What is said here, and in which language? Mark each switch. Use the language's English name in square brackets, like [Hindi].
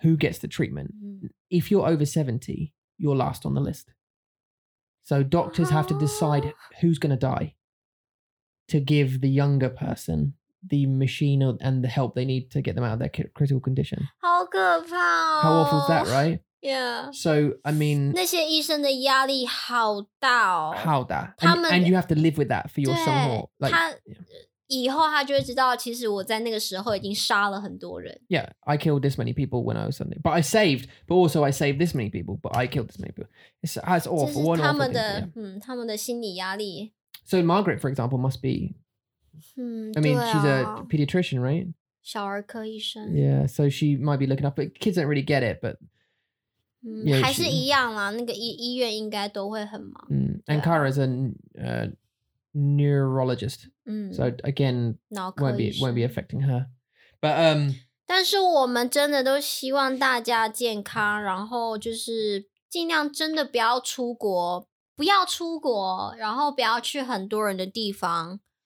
[English] Who gets the treatment. Mm. If you're over 70, you're last on the list. So doctors have to decide who's going to die to give the younger person the machine and the help they need to get them out of their critical condition. [Chinese] 好可怕、哦、 [English] How awful is that, right? Yeah. So, I mean... [Chinese] 那些医生的压力好大哦。好大。他们 [English] and you have to live with that for your son more. Like, [Chinese] 他、 [English] yeah. [Chinese] 以后他就会知道其实我在那个时候已经杀了很多人。 [English] Yeah, I killed this many people when I was something. But I saved. But also I saved this many people. But I killed this many people. It's awful. [Chinese] 这是他们的、 [English] yeah. [Chinese] 嗯、他们的心理压力。 [English] So Margaret, for example, must be...、嗯、 I mean,、啊、 she's a pediatrician, right? [Chinese] 小儿科医生。 [English] Yeah, so she might be looking up, but kids don't really get it, but...、嗯、 yeah, [Chinese] 还是一样啦，那个 医院应该都会很忙。 [English] 嗯、and Kara is a、neurologist,、嗯、 so again, won't be affecting her. But...、 [Chinese] 但是我们真的都希望大家健康，然后就是尽量真的不要出国，不要出国，然后不要去很多人的地方。